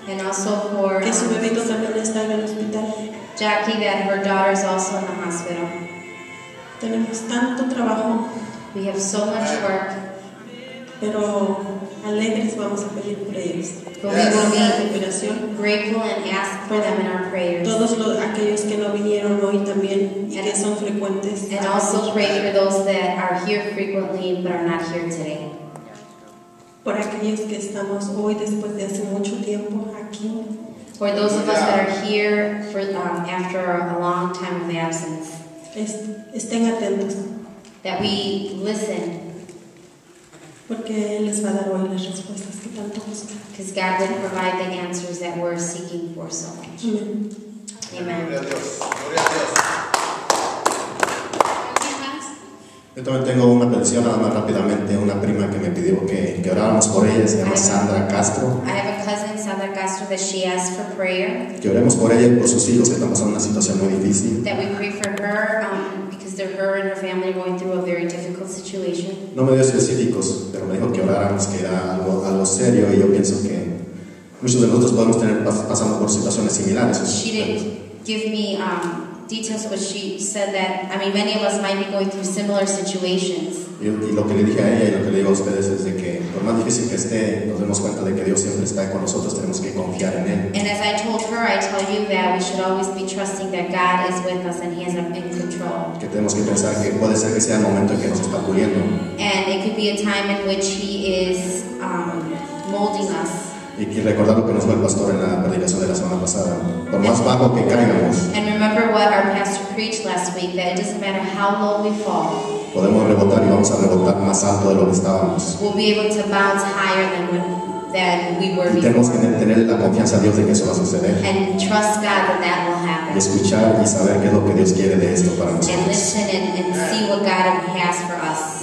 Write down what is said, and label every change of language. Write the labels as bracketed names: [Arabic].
[English] And also for [Spanish] que su bebito también está en el hospital. [English] Jackie, that her daughter is also in the hospital. [Spanish] Tenemos tanto trabajo. [English] We have so much work. [Spanish] Pero alegres vamos a pedir por ellos. [English] But yes. we will be grateful and ask for them in our prayers. [Spanish] Todos los, aquellos que no vinieron hoy también y que son frecuentes. [English] And also pray for those that are here frequently but are not here today. [Spanish] Por aquellos que estamos hoy después de hace mucho tiempo aquí. [English] For those of us that are here for after a long time of absence, [Spanish] estén atentos. [English] That we listen. [Spanish] Porque él les va a dar hoy las respuestas que tanto buscan. [English] Because God will provide the answers that we're seeking for so much. Mm-hmm. Amen. [Spanish] Gloria a Dios. Gloria a Dios. ¿Quién más? Yo también tengo una petición, nada más rápidamente, una prima que me pidió que oráramos por ella, se llama Sandra Castro. [English] I have a cousin, Sandra Castro, that she asked for prayer. [Spanish] Que oremos por ella y por sus hijos que están pasando una situación muy difícil. [English] That we pray for her, because they're her and her family going through a very difficult situation. [Spanish] No me dio específicos, pero me dijo que oráramos, que era algo serio, y yo pienso que muchos de nosotros podemos tener pasando por situaciones similares. [English] She didn't give me details, but she said that, I mean, many of us might be going through similar situations. [Spanish] Y lo que le dije a ella y lo que le digo a ustedes es de que por más difícil que esté, nos demos cuenta de que Dios siempre está con nosotros, tenemos que confiar en Él. [English] And as I told her, I tell you that we should always be trusting that God is with us and He is in control. [Spanish] Que tenemos que pensar que puede ser que sea el momento en que nos está puliendo. [English] And it could be a time in which He is molding us. [Spanish] Y recordar lo que nos dijo el pastor en la predicación de la semana pasada. Por más bajo que caigamos. [English] And remember what our pastor preached last week, that it doesn't matter how low we fall. [Spanish] Podemos rebotar y vamos a rebotar más alto de lo que estábamos. [English] We'll be able to bounce higher than we were before. [Spanish] Y tenemos que tener la confianza a Dios de que eso va a suceder. [English] And trust God that will happen. [Spanish] Y escuchar y saber qué es lo que Dios quiere de esto para nosotros. [English] And listen and see what God has for us.